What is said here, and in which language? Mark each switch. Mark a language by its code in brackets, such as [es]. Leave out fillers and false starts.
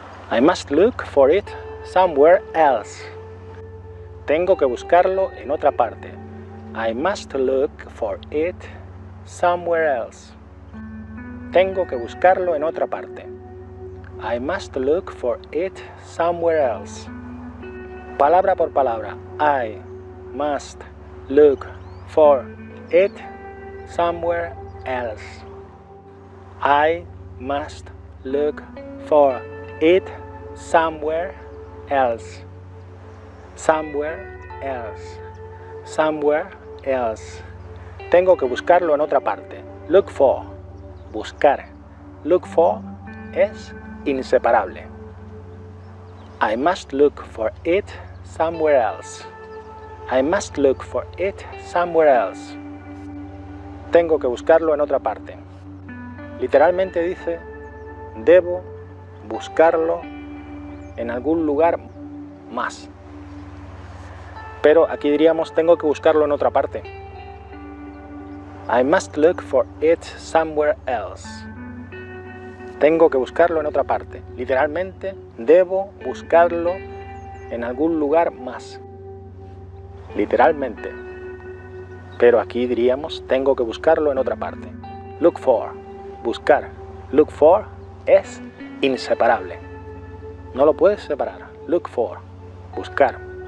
[en] I must look for it somewhere else. [es] Tengo que buscarlo en otra parte. [en] I must look for it somewhere else. [es] Tengo que buscarlo en otra parte. [en] I must look for it somewhere else. [es] Palabra por palabra. [en] I must look for it somewhere else. I must look for it somewhere else. Somewhere else. Somewhere else. [es] Tengo que buscarlo en otra parte. Look for. Buscar. Look for es inseparable. [en] I must look for it somewhere else. I must look for it somewhere else. [es] Tengo que buscarlo en otra parte. Literalmente dice, debo buscarlo en algún lugar más. Pero aquí diríamos, tengo que buscarlo en otra parte. [en] I must look for it somewhere else. [es] Tengo que buscarlo en otra parte. Literalmente, debo buscarlo en algún lugar más. Literalmente. Pero aquí diríamos, tengo que buscarlo en otra parte. Look for. Buscar. Look for es inseparable. No lo puedes separar. Look for. Buscar.